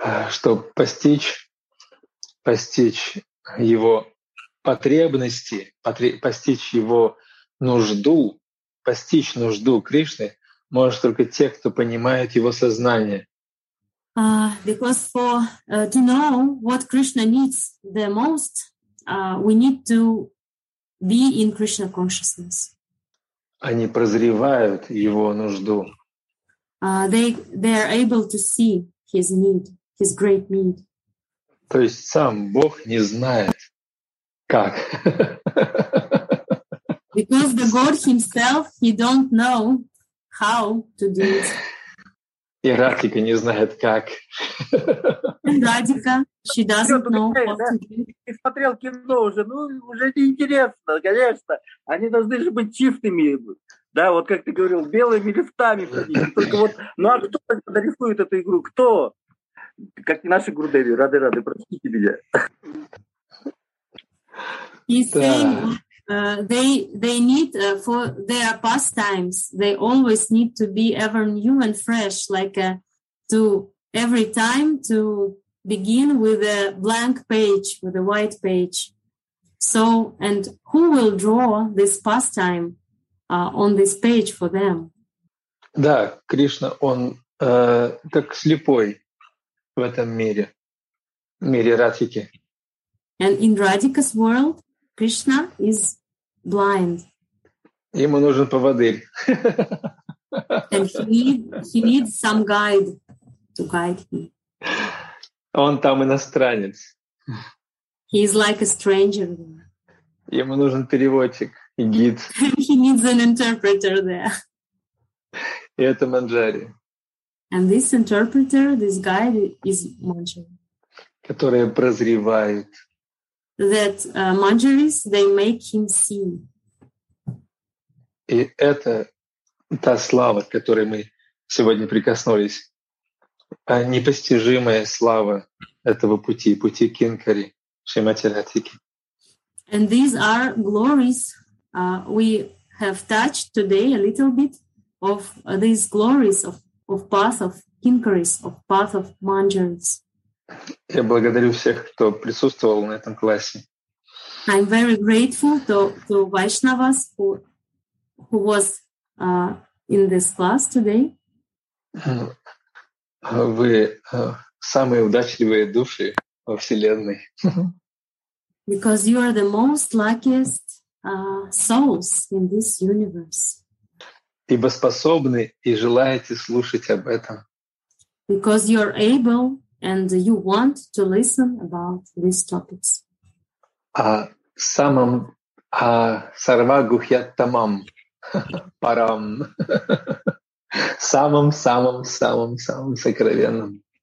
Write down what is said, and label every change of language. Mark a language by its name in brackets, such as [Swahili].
[Russian] Что постичь его потребности, постичь его нужду, постичь нужду Кришны может только те, кто понимает его сознание. [English] Because for to know what Krishna needs the most, we need to be in Krishna consciousness. [Russian] Они прозревают его нужду. [English] They are able to see his need, his great need. [Russian] То есть сам Бог не знает, как. [English] Because the God himself, he don't know how to do it. [Russian] И Радхика не знает, как. [English] Радхика, she doesn't know. [Russian] Ты смотрел кино уже, ну, уже неинтересно, конечно. Они должны же быть чистыми, да, вот как ты говорил, белыми лифтами. Только вот, ну, а кто нарисует эту игру? Кто? Как и наши Гурудеви, рады-рады, простите меня. [English] He's saying, they need for their pastimes. They always need to be ever new and fresh, like to every time to begin with a blank page, with a white page. So, and who will draw this pastime on this page for them? [Russian] Да, Кришна, он как слепой в этом мире, мире Радхики. [English] And in Radhika's world, Krishna is blind. [Russian] Ему нужен поводырь. [English] And he needs some guide to guide him. [Russian] Он там иностранец. [English] He is like a stranger. [Russian] Ему нужен переводчик и гид. [English] He needs an interpreter there. [Russian] И это Манджари. [English] And this interpreter, this guide is Manjari. [Russian] Которые прозревают. [English] That Manjaris, they make him see. [Russian] И это та слава, к которой мы сегодня прикоснулись. Непостижимая слава этого пути, пути Кинкари, Шримати Радхики. [English] And these are glories we have touched today a little bit of these glories of path of Kinkaris, of path of Manjaris. [Russian] Я благодарю всех, кто присутствовал на этом классе. [English] I'm very grateful to Vaishnavas who was in this class today. [Russian] Вы самые удачливые души во Вселенной. [English] Because you are the most luckiest souls in this universe. [Russian] Ибо способны и желаете слушать об этом. [English] Because you are able and you want to listen about these topics. [Russian] Самым сарва гухьяттамам. Парам. Самым-самым-самым-самым сокровенным.